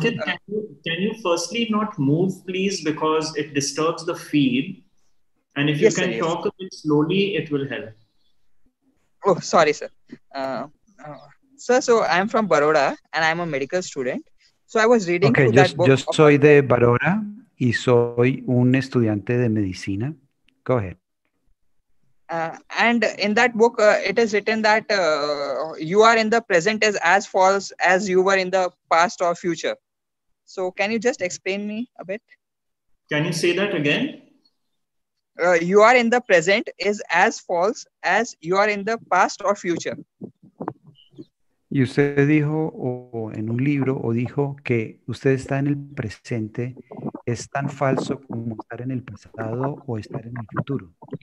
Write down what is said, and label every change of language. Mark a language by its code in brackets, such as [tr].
[en] Can you firstly not move, please, because it disturbs the feed. And if you talk a bit slowly, it will help. Oh, sorry, sir. Sir, so I'm from Baroda and I'm a medical student. So I was reading okay, through that book. [es] Yo soy de Baroda y soy un estudiante de medicina. [en] Go ahead. And in that book, it is written that you are in the present is as false as you were in the past or future. So can you just explain me a bit? Can you say that again? You are in the present is as false as you are in the past or future. [es] Y usted dijo en un libro o dijo que usted está en el presente es tan falso como estar en el pasado o estar en el futuro.